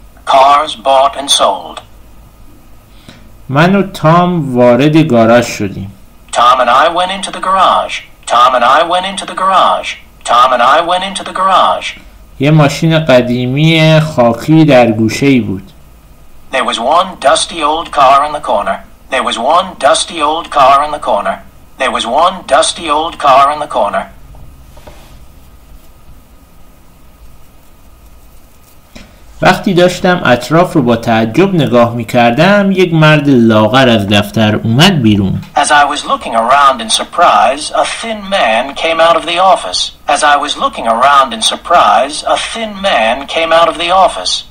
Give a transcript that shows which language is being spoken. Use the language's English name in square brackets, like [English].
[English] Cars bought and sold. [Persian] من و تام وارد گاراژ شدیم. [English] Tom and I went into the garage. Tom and I went into the garage. Tom and I went into the garage. [Persian] یه ماشین قدیمی خاکی در گوشه‌ای بود. [English] There was one dusty old car in the corner. There was one dusty old car in the corner. There was one dusty old car in the corner. [Persian] وقتی داشتم اطراف رو با تعجب نگاه می‌کردم، یک مرد لاغر از دفتر اومد بیرون. [English] As I was looking around in surprise, a thin man came out of the office. As I was looking around in surprise, a thin man came out of the office.